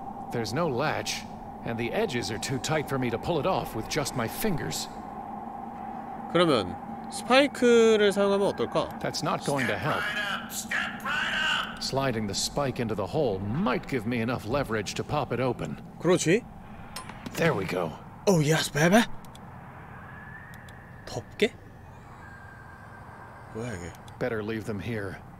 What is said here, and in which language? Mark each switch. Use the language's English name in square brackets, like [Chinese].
[English] There's no latch, and the edges are too tight for me to pull it off with just my fingers. [Korean] 그러면 스파이크를 사용하면 어떨까? [English] That's not going to help. Sliding the spike into the hole might give me enough leverage to pop it open. [Korean] 그렇지? [English] There we go. Oh yes, baby. [Korean] 덥게? 뭐야 이게? [English] Better leave them here.